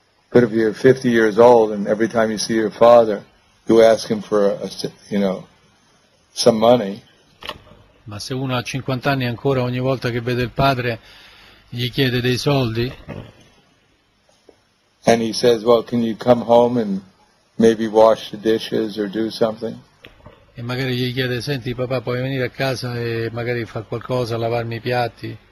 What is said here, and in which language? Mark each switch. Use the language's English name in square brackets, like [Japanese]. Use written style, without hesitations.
[English] But if you're 50 years old and every time you see your father, you ask him for some money. [Italian] Ma se uno ha 50 anni ancora ogni volta che vede il padre gli chiede dei soldi. [English] And he says, "Well, can you come home and maybe wash the dishes or do something?" [Italian] E magari gli chiede, "Senti, papà, puoi venire a casa e magari far qualcosa, lavarmi i piatti?"